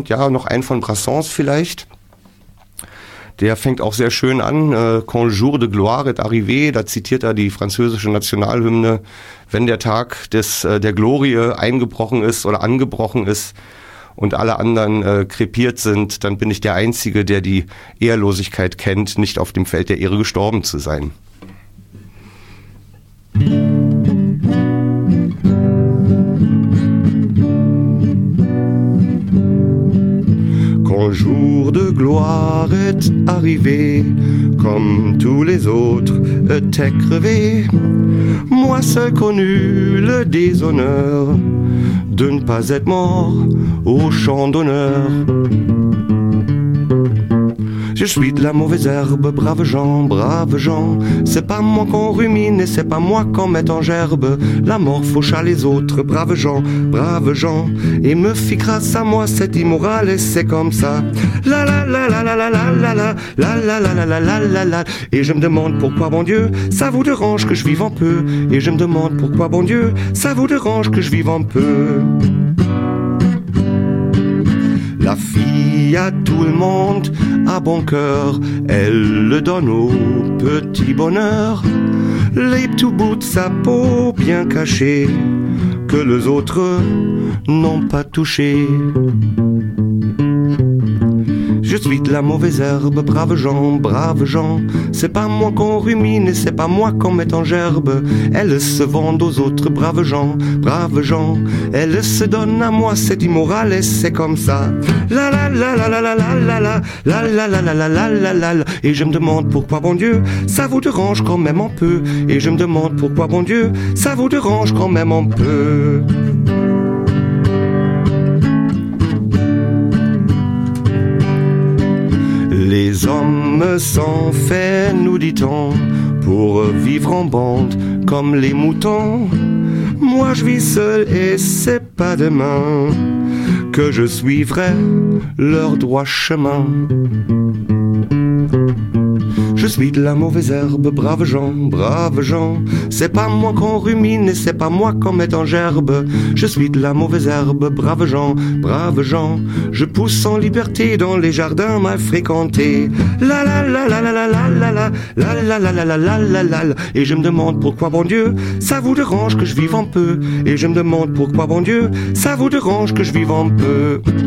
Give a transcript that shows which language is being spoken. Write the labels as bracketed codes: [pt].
[de] Noch ein von Brassens vielleicht. Der fängt auch sehr schön an, [fr] Quand le jour de gloire est arrivé, [de] da zitiert er die französische Nationalhymne, wenn der Tag der Glorie eingebrochen ist oder angebrochen ist und alle anderen krepiert sind, dann bin ich der Einzige, der die Ehrlosigkeit kennt, nicht auf dem Feld der Ehre gestorben zu sein. [fr] Quand le jour de gloire est arrivé, comme tous les autres étaient crevés, moi seul connu le déshonneur de ne pas être mort au champ d'honneur. Je suis de la mauvaise herbe, braves gens, c'est pas moi qu'on rumine et c'est pas moi qu'on met en gerbe. La mort faucha les autres, braves gens, et me fit grâce à moi cette immorale et c'est comme ça. La la la la la la la la la la la la la la la la la la. Et je me demande pourquoi, bon Dieu, ça vous dérange que je vive un peu. Et je me demande pourquoi, bon Dieu, ça vous dérange que je vive un peu. La fille à tout le monde a bon cœur, elle le donne au petit bonheur. Lève tout bout de sa peau bien cachée, que les autres n'ont pas touché. Je suis de la mauvaise herbe, braves gens, c'est pas moi qu'on rumine et c'est pas moi qu'on met en gerbe. Elles se vendent aux autres, braves gens, elles se donnent à moi, c'est immoral et c'est comme ça. La la la la la la la la la la la la la la la la la la la. Et je me demande pourquoi, bon Dieu, ça vous dérange quand même un peu. Et je me demande pourquoi, bon Dieu, ça vous dérange quand même un peu. Les hommes sont faits, nous dit-on, pour vivre en bande comme les moutons. Moi je vis seul et c'est pas demain que je suivrai leur droit chemin. Je suis de la mauvaise herbe, braves gens, c'est pas moi qu'on rumine et c'est pas moi qu'on met en gerbe. Je suis de la mauvaise herbe, braves gens, je pousse en liberté dans les jardins mal fréquentés. La la la la la la la la la la la la la la la la la la la. Et je me demande pourquoi, bon Dieu, ça vous dérange que je vive un peu. Et je me demande pourquoi, bon Dieu, ça vous dérange que je vive un peu.